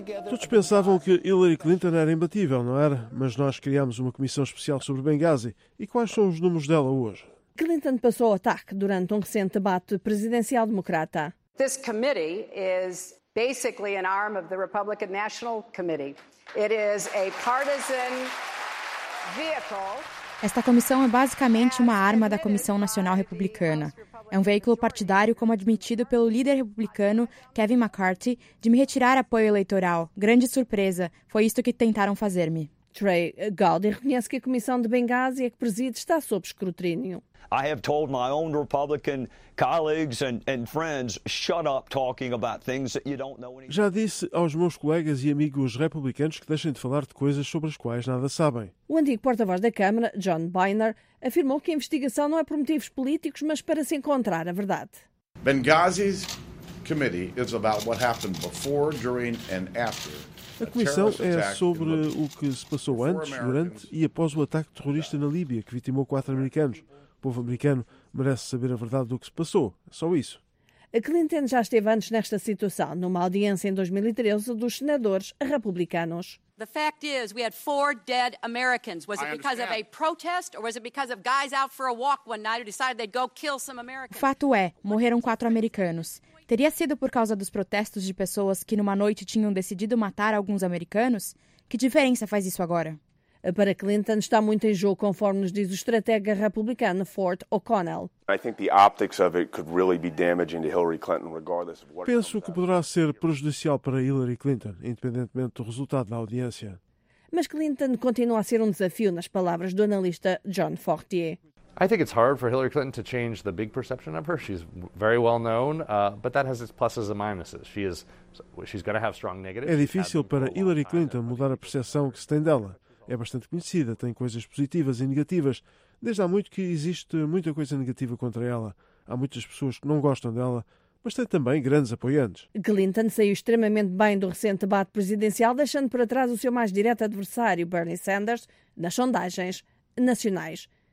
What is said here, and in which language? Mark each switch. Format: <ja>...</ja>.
<pt>Todos pensavam que Hillary Clinton era imbatível, não era? Mas nós criámos uma comissão especial sobre Benghazi. E quais são os números dela hoje? Clinton passou ao ataque durante um recente debate presidencial democrata.</pt> <en>This committee is basically an arm of the Republican National Committee. It is a partisan vehicle.</en> <pt>Esta comissão é basicamente uma arma da Comissão Nacional Republicana. É um veículo partidário, como admitido pelo líder republicano, Kevin McCarthy, de me retirar apoio eleitoral. Grande surpresa. Foi isto que tentaram fazer-me. Trey Gowdy reconhece que a comissão de Benghazi é que preside está sob escrutínio.</pt> <en>I have told my own Republican colleagues and friends, shut up talking about things that you don't know anything.</en> <pt>Já disse aos meus colegas e amigos republicanos que deixem de falar de coisas sobre as quais nada sabem. O antigo porta-voz da Câmara, John Boehner, afirmou que a investigação não é por motivos políticos, mas para se encontrar a verdade.</pt> <en>Benghazi's committee is about what happened before, during and after.</en> <pt>A comissão é sobre o que se passou antes, durante e após o ataque terrorista na Líbia, que vitimou 4 americanos. O povo americano merece saber a verdade do que se passou. Só isso. A Clinton já esteve antes nesta situação, numa audiência em 2013 dos senadores republicanos.</pt> <en>The fact is, we had 4 dead Americans. Was it because of a protest or was it because of guys out for a walk one night who decided they'd go kill some Americans?</en> <pt>O fato é, morreram 4 americanos. Teria sido por causa dos protestos de pessoas que numa noite tinham decidido matar alguns americanos? Que diferença faz isso agora? Para Clinton está muito em jogo, conforme nos diz o estratega republicano Fort O'Connell.</pt> <en>I think the optics of it could really be damaging to Hillary Clinton regardless of what.</en> <pt>Penso que poderá ser prejudicial para Hillary Clinton, independentemente do resultado da audiência. Mas Clinton continua a ser um desafio, nas palavras do analista John Fortier.</pt> <en>I think it's hard for Hillary Clinton to change the big perception of her. She's very well known, but that has its pluses and minuses. She's going to have strong negatives.</en> <pt>É difícil para Hillary Clinton mudar a percepção que se tem dela. É bastante conhecida, tem coisas positivas e negativas. Desde há muito que existe muita coisa negativa contra ela. Há muitas pessoas que não gostam dela, mas tem também grandes apoiantes. Clinton saiu extremamente bem do recente debate presidencial, deixando para trás o seu mais direto adversário, Bernie Sanders, nas sondagens nacionais.</pt>